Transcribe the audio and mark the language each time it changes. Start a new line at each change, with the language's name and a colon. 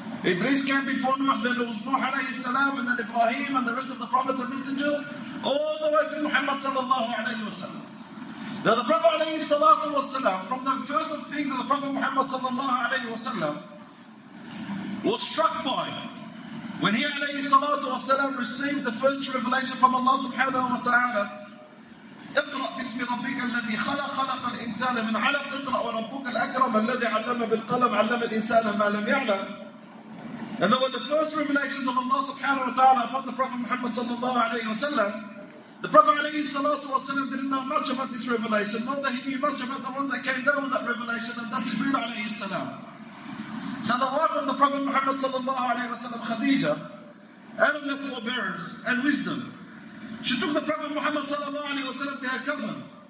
English: Idris came before Nuh, then there was Nuh alayhi salam, and then Ibrahim and the rest of the prophets and messengers, all the way to Muhammad sallallahu alayhi wasallam. Now the Prophet alayhi salatu wasalam, from the first of things of the Prophet Muhammad sallallahu alayhi wasallam, was struck by when he alayhi salatu wasalam received the first revelation from Allah subhanahu wa ta'ala.
Arabic: اقرأ باسم ربك الذي خلق خلق الإنسان من علق اقرأ وربك الأكرم الذي علم بالقلم علم الإنسان ما لم يعلم.
English: And there were the first revelations of Allah subhanahu wa ta'ala upon the Prophet Muhammad sallallahu alayhi wa sallam. The Prophet alayhi salatu wasalam didn't know much about this revelation, nor that he knew much about the one that came down with that revelation, and that's Jibril alayhi salam. So the wife of the Prophet Muhammad sallallahu alayhi wasalam, Khadija, out of her forbearance and wisdom, she took the Prophet Muhammad sallallahu alayhi wasalam to her cousin.